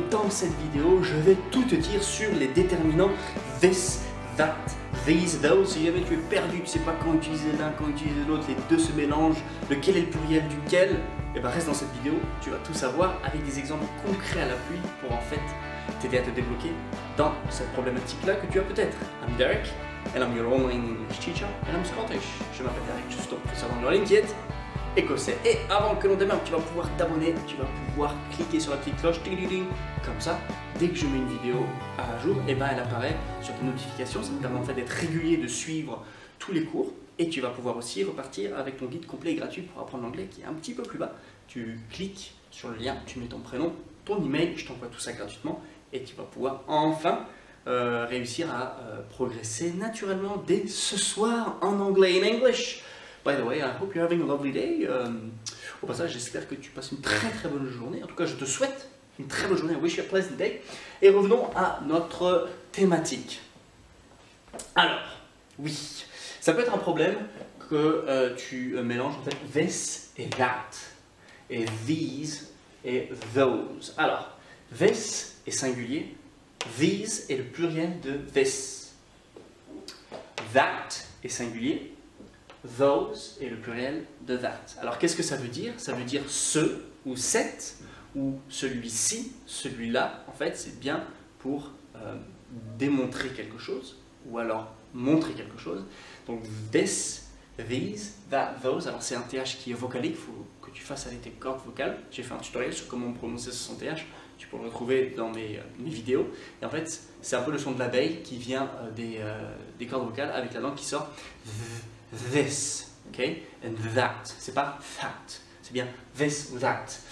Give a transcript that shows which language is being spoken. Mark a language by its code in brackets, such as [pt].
[fr] Dans cette vidéo, je vais tout te dire sur les déterminants this, that, these, those. Si jamais tu es perdu, tu ne sais pas quand utiliser l'un, quand utiliser l'autre, les deux se mélangent, lequel est le pluriel duquel, et ben reste dans cette vidéo, tu vas tout savoir avec des exemples concrets à l'appui pour en fait t'aider à te débloquer dans cette problématique-là que tu as peut-être. [en] I'm Derek, and I'm your online English teacher, and I'm Scottish. [fr] Je m'appelle Derek, je suis ton professeur d'anglais LinkedIn. Écossais. Et avant que l'on démarre, tu vas pouvoir t'abonner, tu vas pouvoir cliquer sur la petite cloche, comme ça, dès que je mets une vidéo à jour, et ben elle apparaît sur tes notifications. Ça te permet en fait d'être régulier, de suivre tous les cours, et tu vas pouvoir aussi repartir avec ton guide complet et gratuit pour apprendre l'anglais qui est un petit peu plus bas. Tu cliques sur le lien, tu mets ton prénom, ton email, je t'envoie tout ça gratuitement, et tu vas pouvoir enfin réussir à progresser naturellement dès ce soir en anglais, [en] in English. By the way, I hope you're having a lovely day. [fr] Au passage, j'espère que tu passes une très très bonne journée. En tout cas, je te souhaite une très bonne journée. [en] I wish you a pleasant day. [fr] Et revenons à notre thématique. Alors, oui, ça peut être un problème que tu mélanges en fait this et that, et these et those. Alors, this est singulier, these est le pluriel de this. That est singulier. Those est le pluriel de that. Alors, qu'est-ce que ça veut dire? Ça veut dire ce ou cette ou celui-ci, celui-là. En fait, c'est bien pour démontrer quelque chose ou alors montrer quelque chose. Donc, this, these, that, those. Alors, c'est un TH qui est vocalique. Il faut que tu fasses avec tes cordes vocales. J'ai fait un tutoriel sur comment prononcer son TH. Tu peux le retrouver dans mes vidéos. Et en fait, c'est un peu le son de l'abeille qui vient des cordes vocales avec la langue qui sort. This, ok, and that, c'est pas that, c'est bien this ou that.